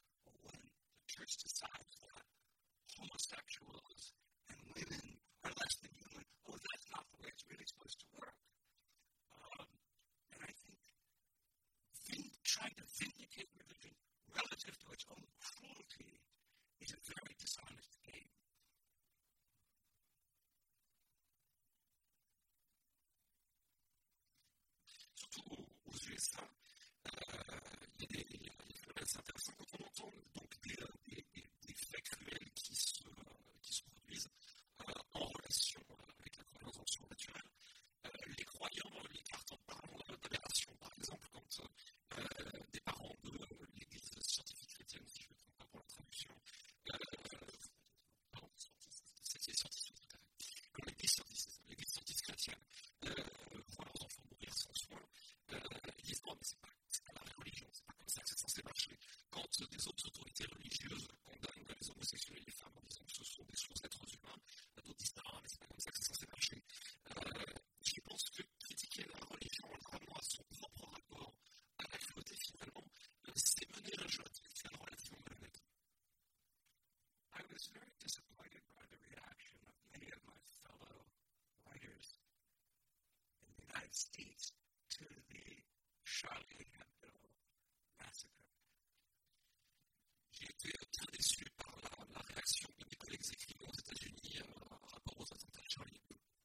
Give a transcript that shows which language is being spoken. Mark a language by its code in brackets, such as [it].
[en] Or when the church decides that homosexuals and women are less than human, oh, that's not the way it's really supposed to work. And I think trying to vindicate religion relative to its own cruelty is a very dishonest game. [fr] Surtout aux USA, il y a des intéressants quand on entend donc des faits cruels qui se produisent en relation avec la croyance en surnaturel. Les croyants les cartons parlent d'aberration, par exemple, quand des parents de l'Église scientifique chrétienne, si je ne me trompe pas pour la traduction, l'Église scientifique chrétienne voit leurs enfants mourir sans soin, ils disent non, mais c'est pas la religion, c'est pas comme ça que c'est censé marcher. Quand des autres autorités religieuses condamnent les homosexuels et les femmes en disant que ce sont des sous-êtres humains, d'autres disent non, mais c'est pas comme ça que c'est censé marcher. Je pense que critiquer la religion en ramenant à son propre rapport à la cruauté, finalement, c'est mener un jeu à tout faire relativement malhonnête. [en] I was very disappointed by the reaction of many of my fellow writers in the United States to the Charlie Hebdo massacre. [fr] J'ai été très déçu par la réaction de mes collègues écrivains aux États-Unis par rapport aux attentats de Charlie Hebdo.